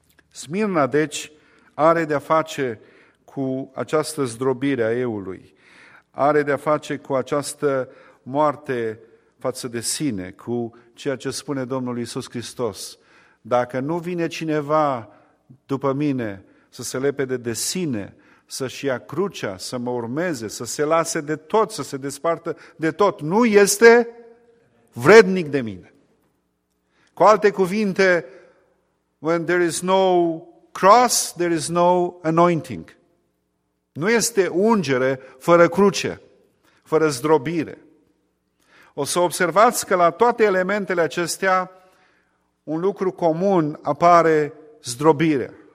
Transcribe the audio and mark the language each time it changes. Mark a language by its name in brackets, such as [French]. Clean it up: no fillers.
[Romanian] Smirna, deci, are de-a face cu această zdrobire a euului, are de-a face cu această moarte față de sine, cu ceea ce spune Domnul Iisus Hristos. Dacă nu vine cineva după mine să se lepede de sine, să-și ia crucea, să mă urmeze, să se lase de tot, să se despartă de tot, nu este vrednic de mine. Cu alte cuvinte, [English] when there is no cross, there is no anointing. [Romanian] Nu este ungere fără cruce, fără zdrobire. O să observați că la toate elementele acestea, un lucru comun apare: zdrobirea.